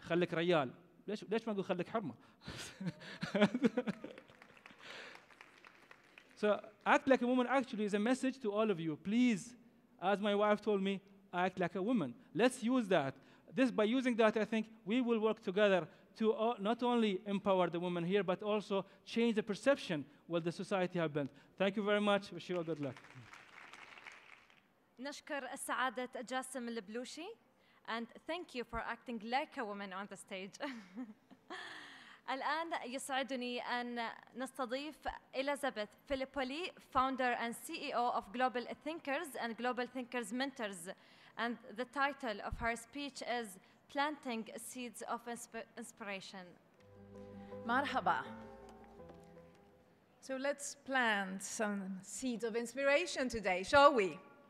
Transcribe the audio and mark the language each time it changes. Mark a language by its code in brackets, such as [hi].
[ar] خليك ريال. ليش ما أقول خليك حرمة؟ [en] So act like a woman actually is a message to all of you. Please, as my wife told me, act like a woman. Let's use that. By using that, I think we will work together to not only empower the women here, but also change the perception what the society have built. Thank you very much. Wish you all good luck. [ar] نشكر السعادة جاسم البلوشي. [en] And thank you for acting like a woman on the stage. [ar] الآن يسعدني أن نستضيف إليزابيث فيليبولي, [en] founder and CEO of Global Thinkers and Global Thinkers Mentors. And the title of her speech is Planting Seeds of Inspiration. [ar] Marhaba. [en] So let's plant some seeds of inspiration today, shall we?